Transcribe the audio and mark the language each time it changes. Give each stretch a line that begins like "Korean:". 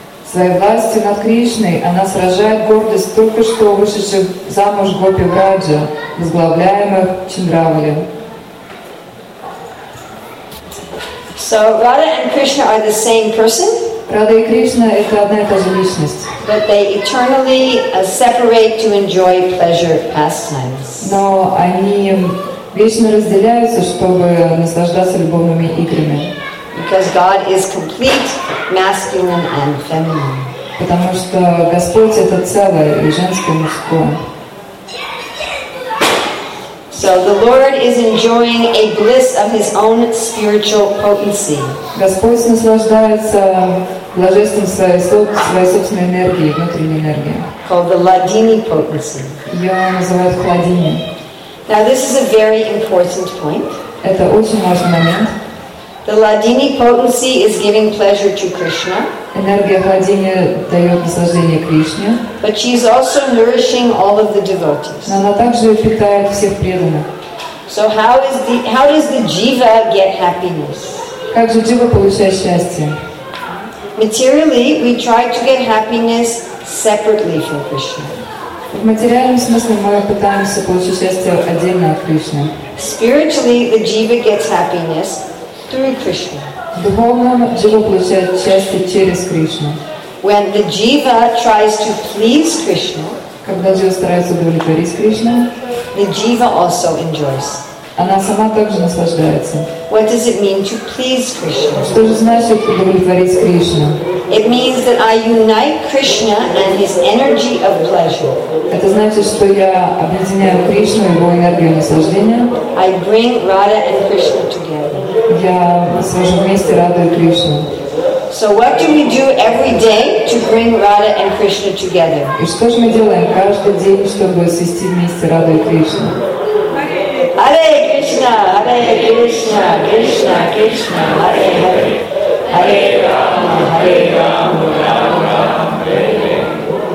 Russian: Своей властью над Кришной она сражает гордость только что вышедших замуж Гопи Враджа, возглавляемых Чандравали.
English: So Radha and Krishna are the same person?
Russian: Радха и Кришна — это одна и та же личность.
English: But they eternally separate to enjoy pleasure pastimes.
Russian: Но они вечно разделяются, чтобы наслаждаться любовными играми.
English: Because God is complete, masculine and feminine.
Russian: Потому что Господь — это целое, и женское, и мужское.
English: So the Lord is enjoying a bliss of His own spiritual potency.
Russian: Господь наслаждается блаженством своей собственной энергии, внутренней энергии.
English: Called the Ладини potency.
Russian: Ее называют Хладини.
English: Now this is a very important point.
Russian: Это очень важный момент.
English: The Ладини potency is giving pleasure to Krishna.
Russian: Энергия Хладини дает наслаждение Кришне.
English: But she is also nourishing all of the devotees.
Russian: Но она также питает всех преданных.
English: So how does the jiva get happiness?
Russian: Как же джива получает счастье?
English: Materially, we try to get happiness separately from Krishna.
Russian: В материальном смысле мы пытаемся получить счастье отдельно от Кришны.
English: Spiritually, the jiva gets happiness through Krishna.
Russian: Духовном джива получает счастье через Кришну.
English: When the jiva tries to please Krishna,
Russian: когда джива старается удовлетворить Кришну,
English: the jiva also enjoys.
Russian: Она сама также наслаждается.
English: What does it mean to please Krishna?
Russian: Что же значит удовлетворить Кришну?
English: It means that I unite Krishna and His energy of pleasure.
Russian: Это значит, что я объединяю Кришну и его энергию наслаждения.
English: I bring Radha and Krishna together.
Russian: Я свожу вместе Раду и Кришну.
English: So what do we do every day to bring Radha and Krishna together?
Russian: И что же мы делаем каждый день, чтобы свести вместе Раду и Кришну?
Sanskrit: Hare Krishna, Krishna, Krishna, Hare Hare, Hare Rama, Hare Rama, Rama Rama, Hare Hare.